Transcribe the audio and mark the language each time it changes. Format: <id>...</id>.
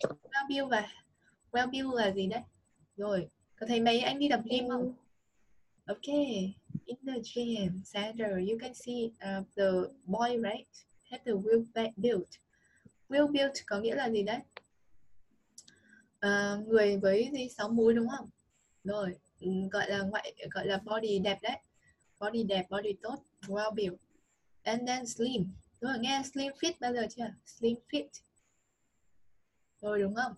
<vi>Well built và well built là gì đấy? Rồi. Có thấy mấy anh đi tập gym không?</vi> <en>Okay. In the gym center, you can see the boy, right? Had the well built.</en> <vi>Well built có nghĩa là gì đấy? Người với gì? 6 múi đúng không? Rồi. Gọi là body đẹp đấy. Body đẹp, body tốt,</vi> <en>well built. And then slim.</en> <vi>Rồi, nghe slim fit bao giờ chưa? Slim fit. Rồi, đúng không?</vi>